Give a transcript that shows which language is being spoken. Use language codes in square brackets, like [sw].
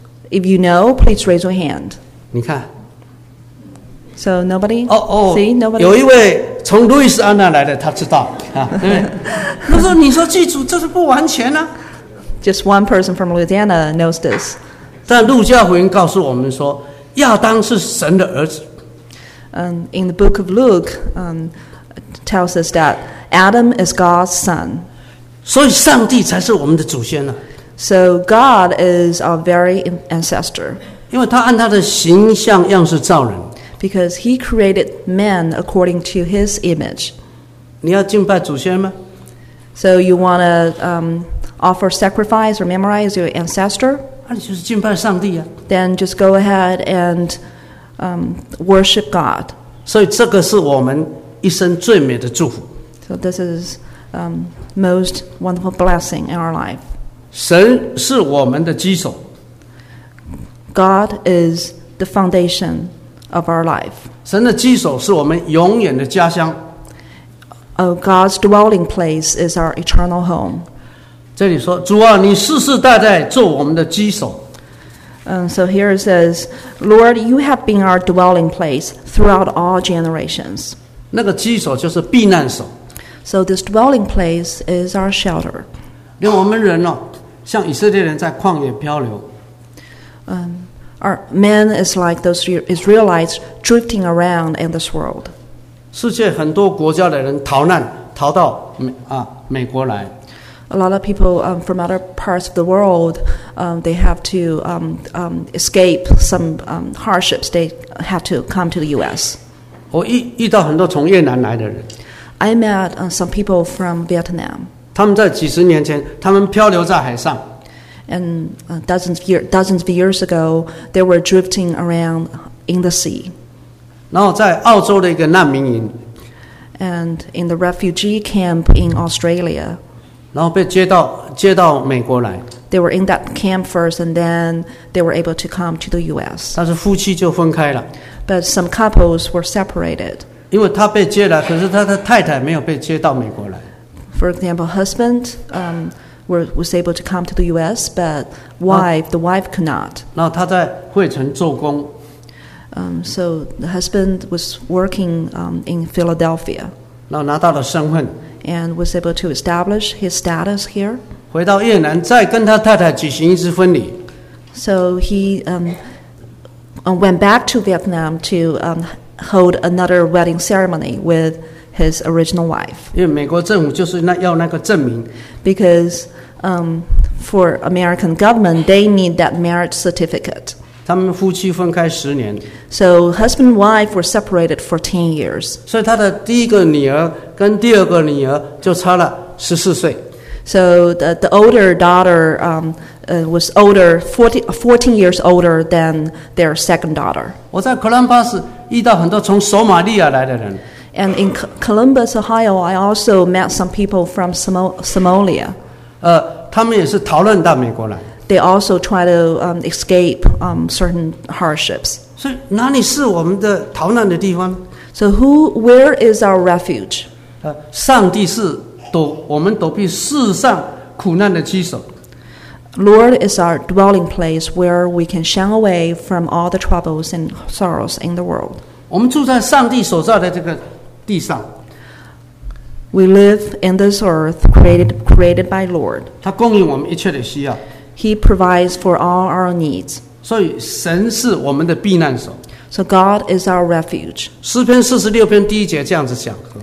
[en] If you know, please raise your hand. [zh] 你看。 [en] So nobody. Oh, oh. See nobody. [zh] 有一位从路易斯安那来的，他知道啊。那时候你说祭祖，这是不完全啊。 [en] Just one person from Louisiana knows this. [zh] 但路加福音告诉我们说，亚当是神的儿子。 [en] In the book of Luke, tells us that Adam is God's son. [zh] 所以上帝才是我们的祖先呢。 [en] So God is our very ancestor. [zh] 因为他按他的形象样式造人。 [en] Because he created man according to his image. [zh] 你要敬拜祖先吗？ [en] So you want to offer sacrifice or memorize your ancestor? [zh] 那就是敬拜上帝啊。 [en] Then just go ahead and worship God. [zh] 所以这个是我们一生最美的祝福。 [en] So this is most wonderful blessing in our life. [zh] 神是我们的基础。 [en] God is the foundation of our life. [zh] 神的基础是我们永远的家乡。 [en] Oh, God's dwelling place is our eternal home. [zh] 这里说，主啊，你世世代代做我们的基础。 [en] So here it says, Lord, you have been our dwelling place throughout all generations. [zh] 那个居所就是避难所。 [en] So this dwelling place is our shelter. [zh] 因为我们人像以色列人在旷野漂流。 [en] Our man is like those Israelites drifting around in this world. [zh] 世界很多国家的人逃难，逃到美国来。 [en] A lot of people from other parts of the world, they have to escape some hardships. They have to come to the U.S. [zh] 我遇到很多从越南来的人。 [en] I met some people from Vietnam. [zh] 他们在几十年前，他们漂流在海上。 [en] And dozens of years ago, they were drifting around in the sea. [zh] 然后在澳洲的一个难民营。 [en] And in the refugee camp in Australia. [zh] 然后被接到美国来。 [en] They were in that camp first, and then they were able to come to the U.S. [zh] 但是夫妻就分开了。 [en] But some couples were separated. [zh] 因为他被接来，可是他的太太没有被接到美国来。 [en] For example, husband was able to come to the U.S., but wife, the wife could not. [zh] 然后他在惠城做工。 [en] So the husband was working in Philadelphia. [zh] 然后拿到了身份。 [en] And was able to establish his status here. [zh] 回到越南，再跟他太太举行一次婚礼。 [en] So he went back to Vietnam to hold another wedding ceremony with his original wife. [zh] 因为美国政府就是那要那个证明。 [en] Because for American government, they need that marriage certificate. [zh] 他们夫妻分开十年。 [en] So husband and wife were separated for 10 years. [zh] 所以他的第一个女儿跟第二个女儿就差了14岁。 [en] So the older daughter was older 14 years older than their second daughter. [zh] 我在哥伦巴斯遇到很多从索马利亚来的人。 [en] And in Columbus, Ohio, I also met some people from Somalia. [zh] 他们也是逃难到美国来。 [en] They also try to escape certain hardships. [zh] 所以哪里是我们的逃难的地方？ [en] So where is our refuge? [zh] 上帝是我们躲避世上苦难的居所。 [en] Lord is our dwelling place where we can shun away from all the troubles and sorrows in the world. [zh] 我们住在上帝所造的这个地上。 [en] We live in this earth created by Lord. [zh] 他供应我们一切的需要。 [en] He provides for all our needs. [zh] 所以神是我们的避难所。 [en] So God is our refuge. [zh] 诗篇四十六篇第一节这样子讲。